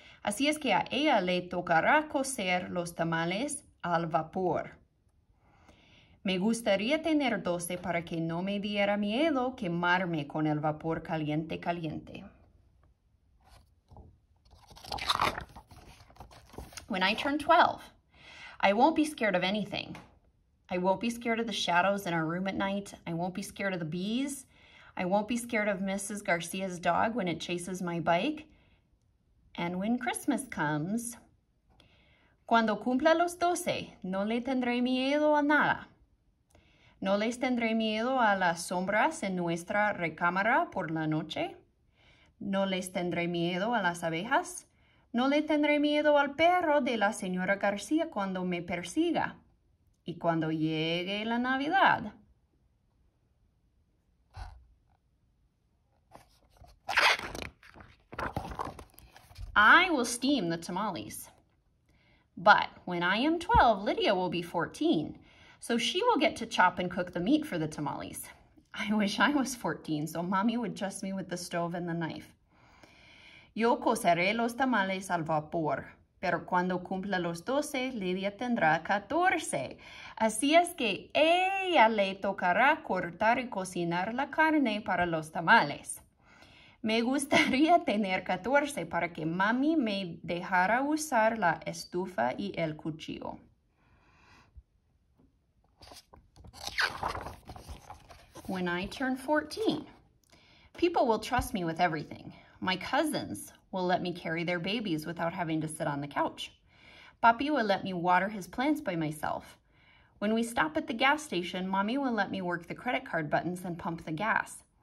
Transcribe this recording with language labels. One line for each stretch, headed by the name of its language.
Spanish: Así es que a ella le tocará cocer los tamales al vapor. Me gustaría tener 12 para que no me diera miedo quemarme con el vapor caliente, caliente.
English: When I turn 12, I won't be scared of anything. I won't be scared of the shadows in our room at night. I won't be scared of the bees. I won't be scared of Mrs. Garcia's dog when it chases my bike. And when Christmas comes,
Spanish: cuando cumpla los 12, no le tendré miedo a nada. No les tendré miedo a las sombras en nuestra recámara por la noche. No les tendré miedo a las abejas. No le tendré miedo al perro de la señora García cuando me persiga. Y cuando llegue la Navidad.
English: I will steam the tamales. But when I am 12, Lydia will be 14. So she will get to chop and cook the meat for the tamales. I wish I was 14 so mommy would trust me with the stove and the knife.
Spanish: Yo coceré los tamales al vapor, pero cuando cumpla los 12, Lydia tendrá 14. Así es que ella le tocará cortar y cocinar la carne para los tamales. Me gustaría tener 14 para que mami me dejara usar la estufa y el cuchillo.
English: When I turn 14, people will trust me with everything. My cousins will let me carry their babies without having to sit on the couch. Papi will let me water his plants by myself. When we stop at the gas station, mommy will let me work the credit card buttons and pump the gas.